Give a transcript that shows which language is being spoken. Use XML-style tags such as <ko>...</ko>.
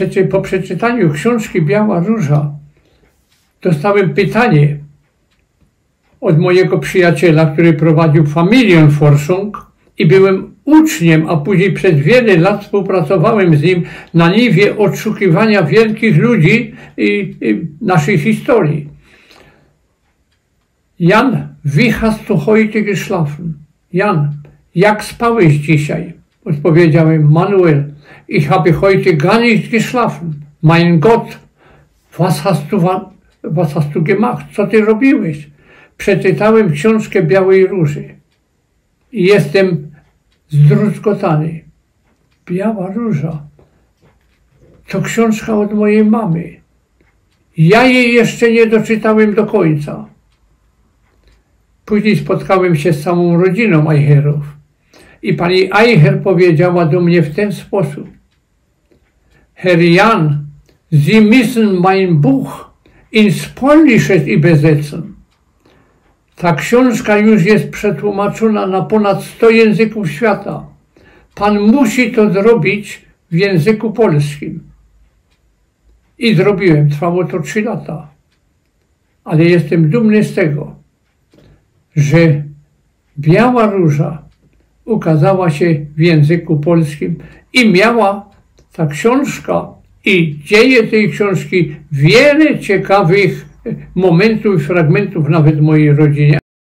<pl>Po przeczytaniu książki Biała Róża dostałem pytanie od mojego przyjaciela, który prowadził Familienforschung i byłem uczniem, a później przez wiele lat współpracowałem z nim na niwie odszukiwania wielkich ludzi i naszej historii.</pl> <de>Jan, wie hast du heute geschlafen? Jan,</de> <pl>jak spałeś dzisiaj? Odpowiedziałem,</pl> <de>Manuel, ich habe heute gar nicht geschlafen. Mein Gott, was hast du gemacht?</de> <pl>Co ty robiłeś? Przeczytałem książkę Białej Róży i jestem zdruzgotany. Biała Róża to książka od mojej mamy. Ja jej jeszcze nie doczytałem do końca. Później spotkałem się z samą rodziną Eicherów i pani Eicher powiedziała do mnie w ten sposób.</pl> <de>Herr Jan, Sie müssen mein Buch ins Polnische übersetzen.</de> <pl>Ta książka już jest przetłumaczona na ponad 100 języków świata. Pan musi to zrobić w języku polskim. I zrobiłem. Trwało to 3 lata. Ale jestem dumny z tego, że Biała Róża ukazała się w języku polskim i miała ta książka i dzieje tej książki wiele ciekawych momentów i fragmentów nawet mojej rodzinie.</pl>